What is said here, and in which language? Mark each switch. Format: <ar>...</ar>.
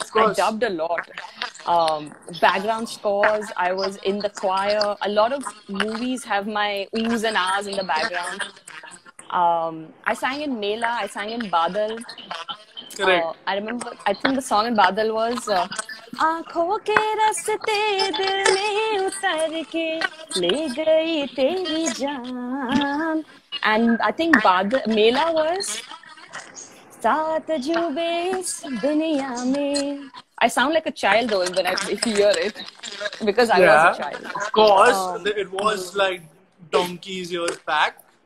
<en>I dubbed a lot. Background scores, I was in the choir. A lot of movies have my oohs and ahs in the background. I sang in Mela, I sang in Badal. Correct. I think the song in Badal was...</en> <hi>आँखों के रास्ते दिल में उतर के ले गई तेरी जान.</hi> <en>And I think Mela was सात जुबे दुनिया में. I sound like a child though when I hear it, because I was a child. Of course, it was like donkey's years back.</en>